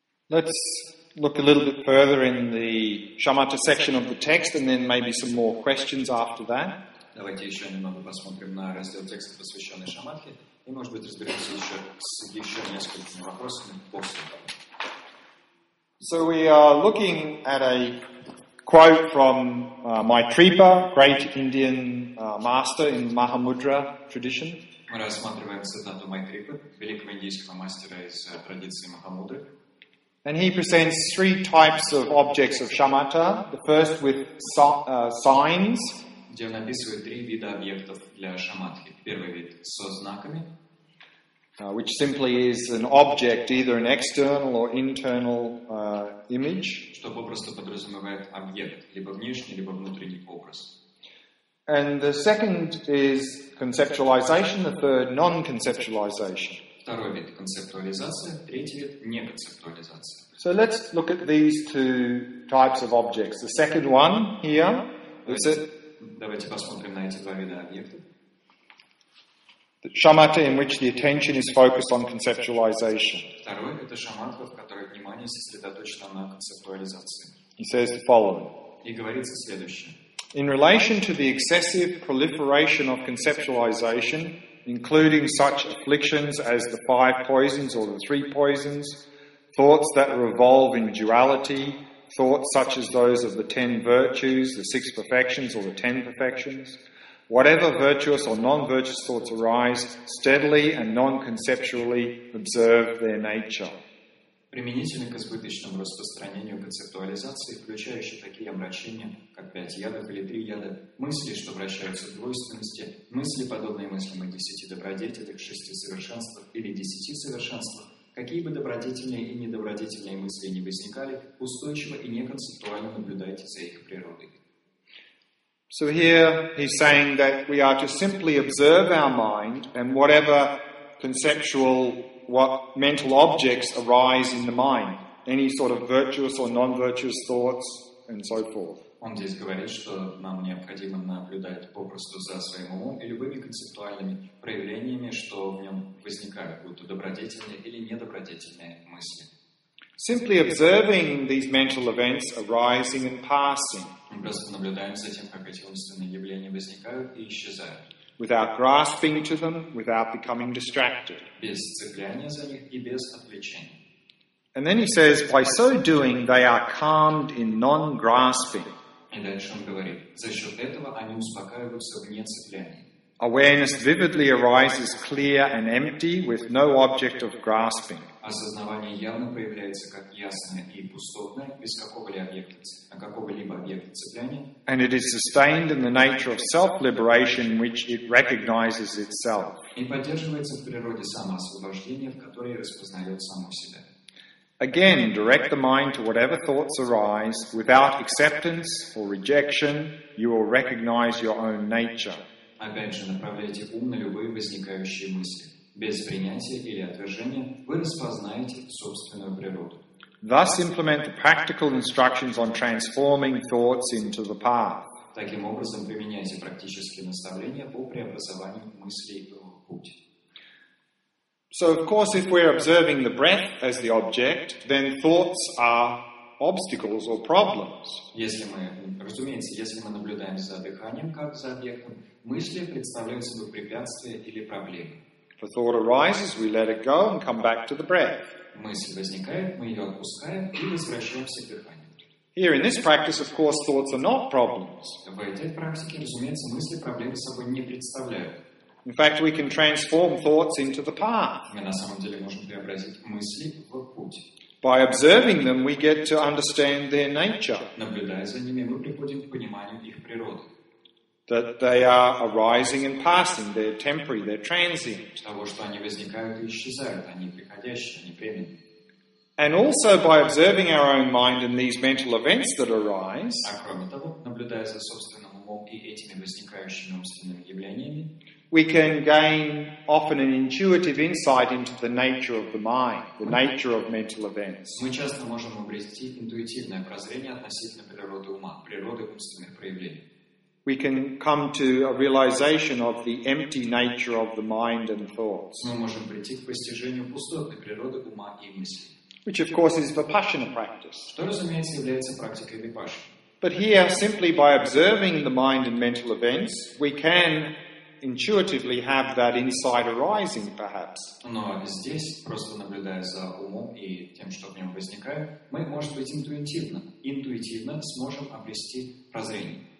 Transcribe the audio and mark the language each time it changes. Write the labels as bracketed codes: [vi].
[en] Let's look a little bit further in the shamatha section of the text, and then maybe some more questions after that. [ru] Давайте ещё немного посмотрим на раздел текста, посвящённый шамадхе, и, может быть, разберёмся ещё с несколькими вопросами после того. [en] So we are looking at a quote from Maitripa, great Indian master in Mahamudra tradition. [ru] Мы рассматриваем цитату Майтрипы, великого индийского мастера из традиции Махамудры. [en] And he presents three types of objects of shamatha, the first with signs. [ru] Где он описывает три вида объектов для шамадхи. Первый вид со знаками. [en] Which simply is an object, either an external or internal image. [ru] Что попросту подразумевает объект, либо внешний, либо внутренний образ. [en] And the second is conceptualization, the third non-conceptualization. [ru] Второй вид – концептуализация, третий вид – неконцептуализация. [en] So let's look at these two types of objects. The second one here, is it? [ru] Давайте посмотрим на эти два вида объектов. [en] The shamatha in which the attention is focused on conceptualization. [ru] Второй – это шамадха, в которой внимание сосредоточено на концептуализации. [en] He says the following. [ru] И говорится следующее. [en] In relation to the excessive proliferation of conceptualization, including such afflictions as the five poisons or the three poisons, thoughts that revolve in duality, thoughts such as those of the ten virtues, the six perfections or the ten perfections, whatever virtuous or non-virtuous thoughts arise, steadily and non-conceptually observe their nature. [ru] Применительно к избыточному распространению концептуализации, включающей такие омрачения, как пять ядов или три яда, мысли, что вращаются в двойственности, мысли, подобные мыслям о десяти добродетелях, шести совершенствах или десяти совершенствах, какие бы добродетельные и недобродетельные мысли ни возникали, устойчиво и неконцептуально наблюдайте за их природой. [en] So here he's saying that we are to simply observe our mind and whatever conceptual what mental objects arise in the mind, any sort of virtuous or non-virtuous thoughts, and so forth. [ru] Он здесь говорит, что нам необходимо наблюдать попросту за своим умом и любыми концептуальными проявлениями, что в нем возникают, будь то добродетельные или недобродетельные мысли. [en] Simply observing these mental events arising and passing. [ru] Мы просто наблюдаем за тем, как эти умственные явления возникают и исчезают. [en] Without grasping to them, without becoming distracted. [ru] Без цепляния за них и без отвлечения. [en] And then he says, by so doing, they are calmed in non-grasping. [ru] И дальше он говорит, за счет этого они успокаиваются вне цепляния. [en] Awareness vividly arises clear and empty with no object of grasping. [ru] Осознавание явно появляется как ясное и пустотное, без какого-либо объекта цепляния. [en] And it is sustained in the nature of self-liberation in which it recognizes itself. [ru] И поддерживается в природе самоосвобождения, в которой распознает само себя. [en] Again, direct the mind to whatever thoughts arise, without acceptance or rejection, you will recognize your own nature. [ru] Опять же, направляйте ум на любые возникающие мысли. Без принятия или отвержения вы распознаете собственную природу. [en] Thus implement the practical instructions on transforming thoughts into the path. [ru] Таким образом, применяйте практические наставления по преобразованию мыслей в путь. [en] So, of course, if we're observing the breath as the object, then thoughts are obstacles or problems. [ru] Если мы, разумеется, если мы наблюдаем за дыханием как за объектом, мысли представляют собой препятствия или проблемы. [en] The thought arises, we let it go and come back to the breath. [ru] Мысль возникает, мы ее отпускаем и возвращаемся к дыханию. [en] Here in this practice, of course, thoughts are not problems. [ru] В этой практике, разумеется, мысли проблемы собой не представляют. [en] In fact, we can transform thoughts into the path. [ru] Мы на самом деле можем преобразить мысли в путь. [en] By observing them, we get to understand their nature. [ru] Наблюдая за ними, мы приходим к пониманию их природы. [en] That they are arising and passing, they're temporary, they're transient. [ru] Того, что они возникают и исчезают, они приходящие, они временные. [en] And also by observing our own mind and these mental events that arise, [ru] а кроме того, наблюдая за собственным умом и этими возникающими умственными явлениями, [en] we can gain often an intuitive insight into the nature of the mind, the nature of mental events. [ru] Мы часто можем обрести интуитивное прозрение относительно природы ума, природы умственных проявлений. [en] We can come to a realization of the empty nature of the mind and thoughts. [ru] Мы можем прийти к постижению пустоты природы ума и мысли. [en] which of course is Vipassana practice. [ru] Что, разумеется, является практикой Vipassana. [en] But here, simply by observing the mind and mental events, we can intuitively have that insight arising, perhaps. [ru] Но здесь, просто наблюдая за умом и тем, что в нем возникает, мы, может быть, интуитивно сможем обрести прозрение.